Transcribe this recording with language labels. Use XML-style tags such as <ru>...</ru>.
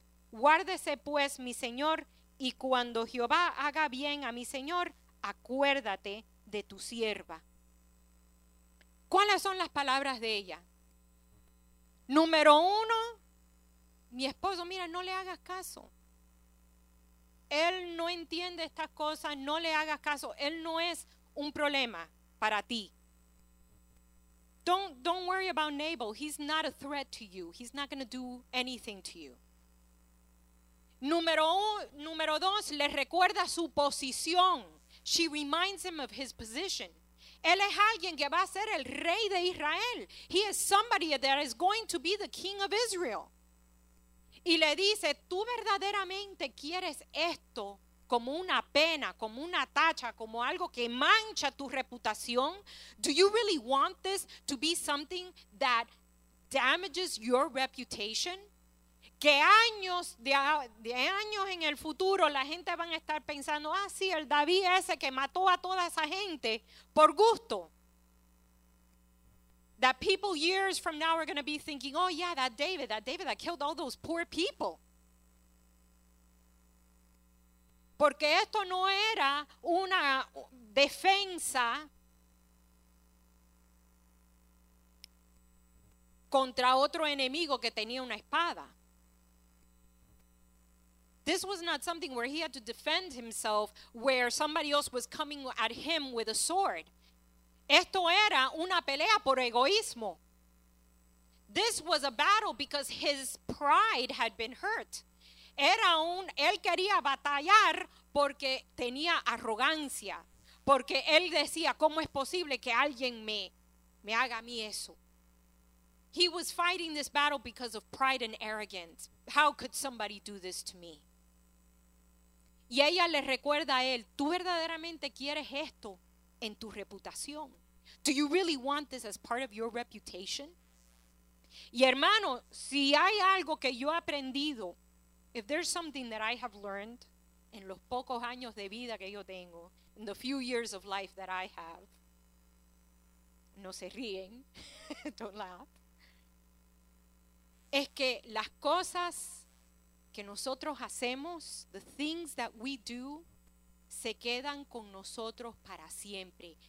<es>Guárdese, pues, mi Señor, y cuando Jehová haga bien a mi Señor, acuérdate de tu sierva. ¿Cuáles son las palabras de ella? Número uno, mi esposo, mira, no le hagas caso. Él no entiende estas cosas, no le hagas caso. Él no es un problema para ti.</es> <en>Don't worry about Nabal. He's not a threat to you. He's not going to do anything to you.</en> <es>Número dos, le recuerda su posición.</es> <en>She reminds him of his position.</en> <es>Él es alguien que va a ser el rey de Israel.</es> <en>He is somebody that is going to be the king of Israel.</en> <es>Y le dice, tú verdaderamente quieres esto como una pena, como una tacha, como algo que mancha tu reputación.</es> <en>Do you really want this to be something that damages your reputation?</en> <es>Que años en el futuro la gente van a estar pensando, ah, sí, el David ese que mató a toda esa gente por gusto.</es> <en>That people years from now are going to be thinking, oh yeah, that David that killed all those poor people.</en> <es>Porque esto no era una defensa contra otro enemigo que tenía una espada.</es> <en>This was not something where he had to defend himself, where somebody else was coming at him with a sword.</en> <es>Esto era una pelea por egoísmo.</es> <en>This was a battle because his pride had been hurt.</en> <es>Él quería batallar porque tenía arrogancia. Porque él decía, ¿cómo es posible que alguien me haga a mí eso?</es> <en>He was fighting this battle because of pride and arrogance. How could somebody do this to me?</en> <es>Y ella le recuerda a él, ¿tú verdaderamente quieres esto en tu reputación?</es> <en>Do you really want this as part of your reputation?</en> <es>Y hermano, si hay algo que yo he aprendido,</es> <en>if there's something that I have learned</en> <es>en los pocos años de vida que yo tengo,</es> <en>in the few years of life that I have,</en> <es>no se ríen,</es> <en>don't laugh,</en> <es>es que las cosas que nosotros hacemos,</es> <en>the things that we do,</en> <es>se quedan con nosotros para siempre.</es>